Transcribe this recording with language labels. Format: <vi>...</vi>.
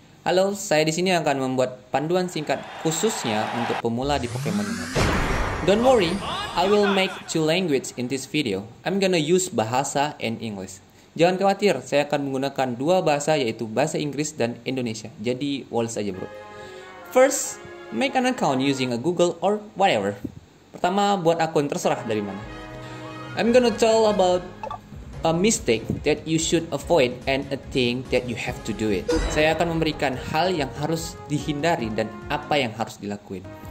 <id>Halo, saya di sini akan membuat panduan singkat khususnya untuk pemula di Pokemon Unite.</id> <en>Don't worry, I will make two languages in this video. I'm gonna use bahasa and English.</en> <id>Jangan khawatir, saya akan menggunakan dua bahasa yaitu bahasa Inggris dan Indonesia. Jadi, walls aja bro.</id> <en>First, make an account using a Google or whatever.</en> <id>Pertama, buat akun terserah dari mana.</id> <en>I'm gonna tell about a mistake that you should avoid and a thing that you have to do it.</en> <id>Saya akan memberikan hal yang harus dihindari dan apa yang harus dilakuin.</id>